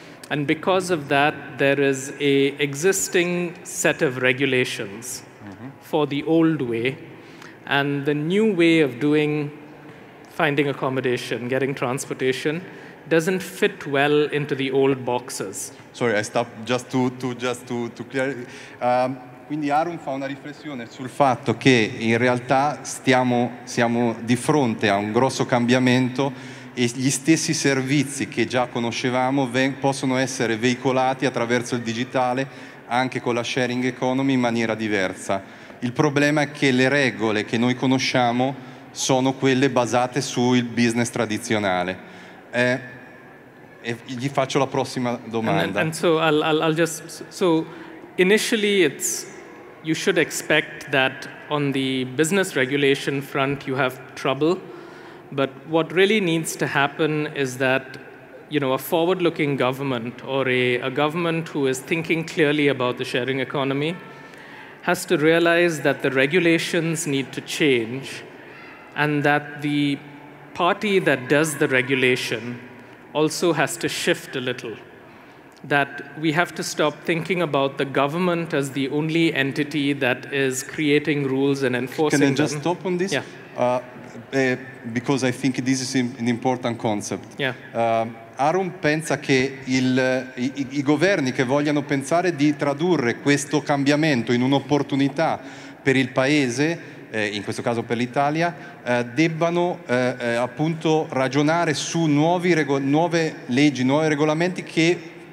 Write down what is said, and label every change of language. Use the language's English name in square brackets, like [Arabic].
[English] And because of that, there is a existing set of regulations for the old way. And the new way of finding accommodation, getting transportation, doesn't fit well into the old boxes. Sorry, I stopped just to clear. [Italian] Quindi Arun fa una riflessione sul fatto che in realtà siamo di fronte a un grosso cambiamento, e gli stessi servizi che già conoscevamo possono essere veicolati attraverso il digitale, anche con la sharing economy, in maniera diversa. Il problema è che le regole che noi conosciamo sono quelle basate sul business tradizionale. E gli faccio la prossima domanda. [English] So initially it's, you should expect that on the business regulation front you have trouble. But what really needs to happen is that, you know, a forward-looking government, or a government who is thinking clearly about the sharing economy, has to realize that the regulations need to change, and that the party that does the regulation also has to shift a little. That we have to stop thinking about the government as the only entity that is creating rules and enforcing them. Can I just stop on this? Yeah. Because I think this is an important concept. Yeah. [Italian] Arun pensa che i governi che vogliano pensare di tradurre questo cambiamento in un'opportunità per il paese, in questo caso per l'Italia, debbano appunto ragionare su nuove leggi, nuovi regolamenti che